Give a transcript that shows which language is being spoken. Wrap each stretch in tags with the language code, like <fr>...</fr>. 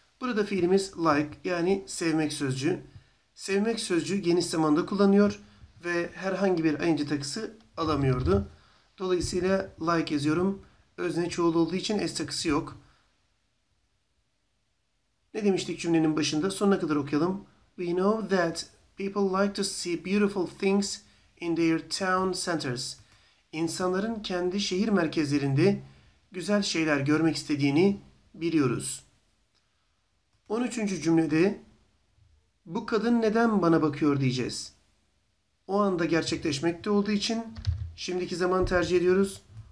<tr>Burada fiilimiz like yani sevmek sözcüğü. Sevmek sözcüğü geniş zamanda kullanıyor ve herhangi bir ing takısı alamıyordu. Dolayısıyla like yazıyorum. Özne çoğul olduğu için s takısı yok. Ne demiştik cümlenin başında? Sonuna kadar okuyalım.</tr> <en>We know that people like to see beautiful things in their town centers.</en> <tr>İnsanların kendi şehir merkezlerinde güzel şeyler görmek istediğini biliyoruz. 13. cümlede bu kadın neden bana bakıyor diyeceğiz. O anda gerçekleşmekte olduğu için şimdiki zaman tercih ediyoruz.</tr>